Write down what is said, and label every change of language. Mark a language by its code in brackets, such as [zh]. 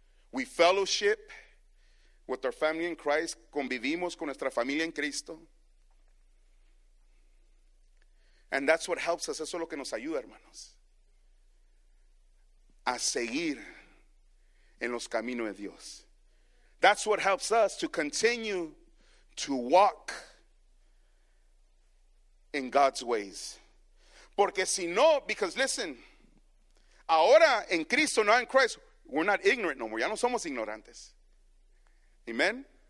[en] We fellowship with our family in Christ. [es] Convivimos con nuestra familia en Cristo. [en] And that's what helps us. [es] Eso es lo que nos ayuda, hermanos, a seguir en los caminos de Dios. [en] That's what helps us to continue to walk in God's ways. [es] Porque si no, [en] because listen, [es] ahora en Cristo, [en] not in Christ, we're not ignorant no more. [es] Ya no somos ignorantes. [en] Amen.